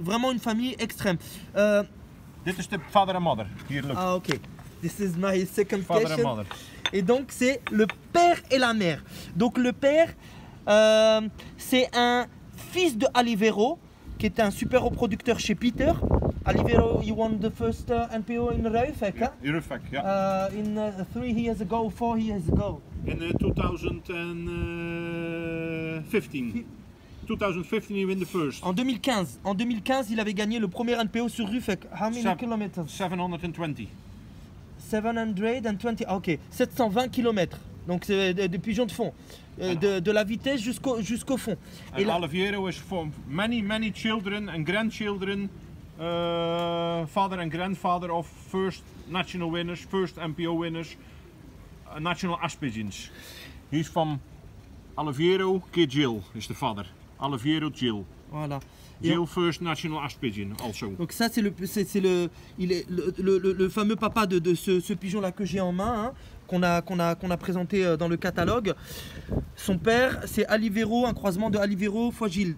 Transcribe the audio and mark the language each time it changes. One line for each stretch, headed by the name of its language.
French: Vraiment une famille extrême.
English: Dit is the father and mother. Here, look. Ah, ok. This is my second father question. And mother.
French: Et donc, c'est le père et la mère. Donc, le père, c'est un fils de Alivero, qui était un super reproducteur chez Peter.
English: Alivero, you won the first NPO in Rufek, yeah. Hein? Rufek, yeah. In 3 years ago, 4 years ago. In 2015, he won the first.
French: En 2015, il avait gagné le premier NPO sur Rufek.
English: How many kilometers? 720. 720, ok, 720 km.
French: Donc c'est des pigeons de fond, de la vitesse jusqu'au fond.
English: Et Oliviero is for many, many children and grandchildren, father and grandfather of first national winners, first NPO winners, national aspirants. He's from Oliviero que Gil, is the father. Oliviero Gil.
French: Voilà.
English: Gil first national aspirant also.
French: Donc ça c'est le fameux papa de ce pigeon là que j'ai en main, hein, qu'on a présenté dans le catalogue. Son père c'est Alivero, un croisement de Alivero fois Gil.